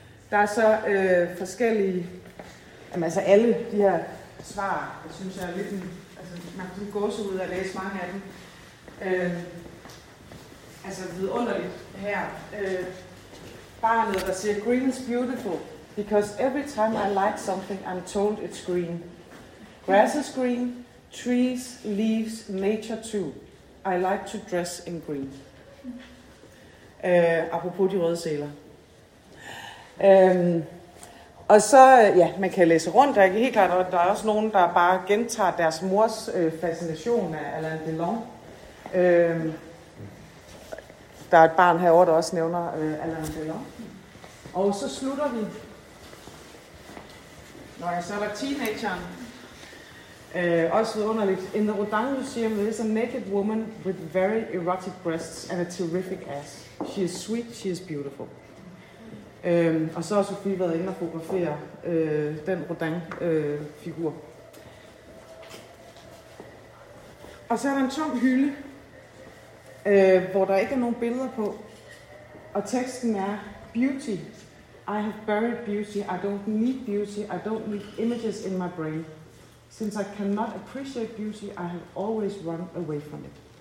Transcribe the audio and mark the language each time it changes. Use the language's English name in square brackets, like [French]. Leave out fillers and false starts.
[Danish] Der er så forskellige, jamen, altså alle de her svar, jeg synes, jeg er lidt en, altså man kan gå så ud og læse mange af dem. Altså vidunderligt her, barnet, der siger, [English] green is beautiful, because every time I like something, I'm told it's green. Grass is green, trees, leaves, nature too. I like to dress in green. [Danish] Apropos de røde sæler. Og så, ja, man kan læse rundt, der er helt klart, og der er også nogen, der bare gentager deres mors fascination af Alain Delon. Der er et barn herovre, der også nævner Alain Delon. Og så slutter vi. Når jeg så var teenageren, også vidunderligt. [English] In the Rodin Museum, there is a naked woman with very erotic breasts and a terrific ass. She is sweet, she is beautiful. [Danish] Og så har Sophie været inde og fotografere den Rodin-figur. Og så er der en tom hylde, hvor der ikke er nogen billeder på. Og teksten er, [English] beauty, I have buried beauty, I don't need beauty, I don't need images in my brain. Since I cannot appreciate beauty, I have always run away from it.